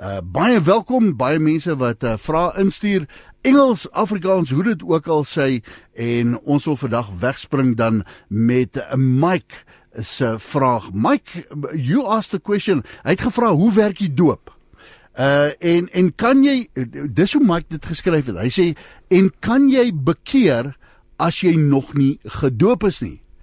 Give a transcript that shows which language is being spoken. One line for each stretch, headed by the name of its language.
Afrikaans: Baie welkom, baie mense wat vrae instuur. Engels, Afrikaans, hoe dit ook al sê, en ons wil vandag wegspring dan met Mike se vraag. Mike,
English: you asked the question,
Afrikaans: hy het gevra, hoe werk die doop? En kan jy, dis hoe Mike dit geskryf het, hy sê, en kan jy bekeer as jy nog nie gedoop is nie?